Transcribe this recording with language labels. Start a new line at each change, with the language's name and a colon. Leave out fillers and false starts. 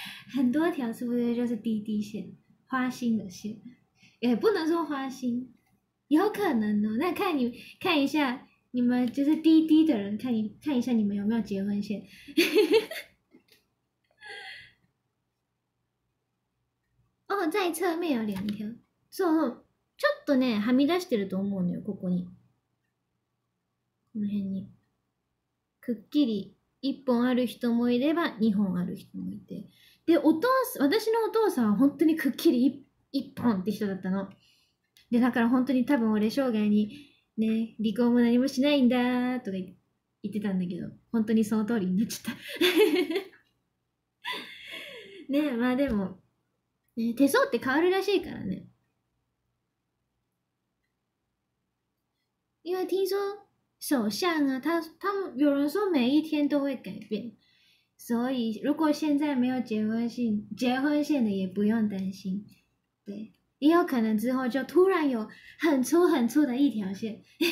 Chinese: 很多条是不是就是滴滴线，花心的线，也不能说花心，有可能哦。那看你看一下，你们就是滴滴的人，看你看一下你们有没有结婚线。哦，在侧面有两条，
Japanese: そう、ちょっとね、はみ出してると思うのよ、ここに。この辺に。くっきり、一本ある人もいれば、二本ある人もいて。で、お父さん、私のお父さんは本当にくっきり一本って人だったの。で、だから本当に多分俺生涯に、ね、離婚も何もしないんだーとか言ってたんだけど、本当にその通りになっちゃった。ね、まあでも、ね、手相って変わるらしいからね。
Chinese: 因为听说手相啊，他们有人说每一天都会改变，所以如果现在没有结婚线的也不用担心，对，也有可能之后就突然有很粗很粗的一条线。